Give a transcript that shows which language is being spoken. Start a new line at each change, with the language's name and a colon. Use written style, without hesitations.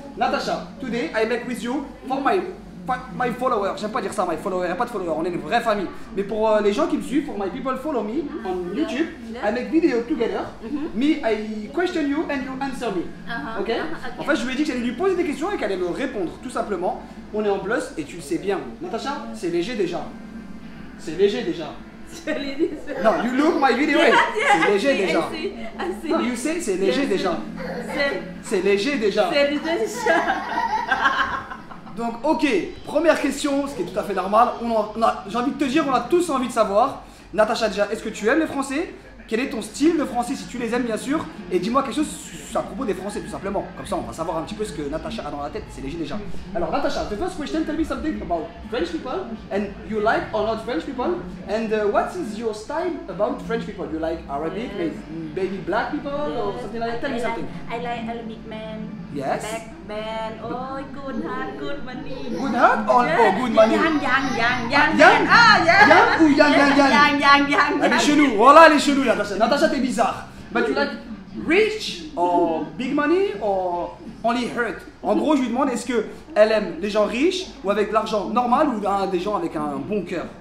English: Natacha, today I make with you for my... My follower,
French: j'aime pas dire ça,
English: my follower,
French: y'a pas de follower, on est une vraie famille. Mais pour les gens qui me suivent,
English: for my people follow me on YouTube, I make video together. Me, I question you and you answer me. Okay?
French: En fait, je lui ai dit que j'allais lui poser des questions et qu'elle allait me répondre, tout simplement. On est en plus et tu le sais bien. Natacha, c'est léger déjà. C'est léger déjà.
English: Non, you look my video, yeah, yeah,
French: c'est léger
English: see,
French: déjà.
English: I see. No, you say,
French: c'est léger
English: yeah,
French: déjà. C'est léger déjà. C'est léger déjà. Donc ok, première question, ce qui est tout à fait normal, j'ai envie de te dire, on a tous envie de savoir, Natacha déjà, est-ce que tu aimes les Français? Quel est ton style de français si tu les aimes bien sûr? Et dis-moi quelque chose à propos des Français tout simplement, comme ça on va savoir un petit peu ce que Natacha a dans la tête, c'est léger déjà.
English: Alors Natacha, the first question, tell me something about French people, and you like or not French people, and what is your style about French people? You like Arabic, maybe black people or something like that, tell me something. I like Arabic man. Yes. Back man, oh, good heart, good money. Good heart or good money? Young. Ah, yeah. Young. Young.
French: Elle est chez nous. Voilà, elle est chez nous, Natacha. Natacha, t'es bizarre.
English: But you like rich or big money or only hurt?
French: En gros, je lui demande, est-ce qu'elle aime les gens riches ou avec de l'argent normal ou des gens avec un bon cœur?